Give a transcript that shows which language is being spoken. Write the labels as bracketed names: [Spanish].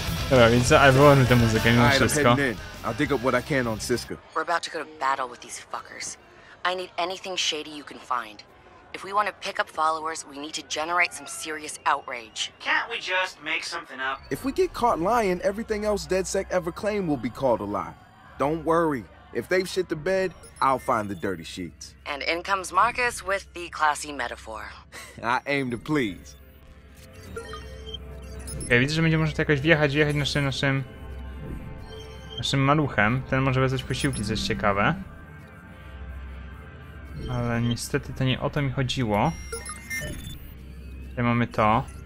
[Polish] Dobra, więc [English] I wrote [Polish] tę muzykę mimo wszystko. [English] I'll dig up what I can on Cisco. We're about to go to battle with these fuckers. I need anything shady you can find. If we want to pick up followers, we need to generate some serious outrage. Can't we just make something up? If we get caught lying, everything else DedSec ever claimed will be called a lie. Don't worry. If they've shit the bed, I'll find the dirty sheets. And in comes Marcus with the classy metaphor. I aim to please. [Polish] Okay, widzę, że będzie można to jakoś wjechać naszym maluchem. Ten może wezwać posiłki, co jest ciekawe. Ale niestety to nie o to mi chodziło. Tutaj mamy to.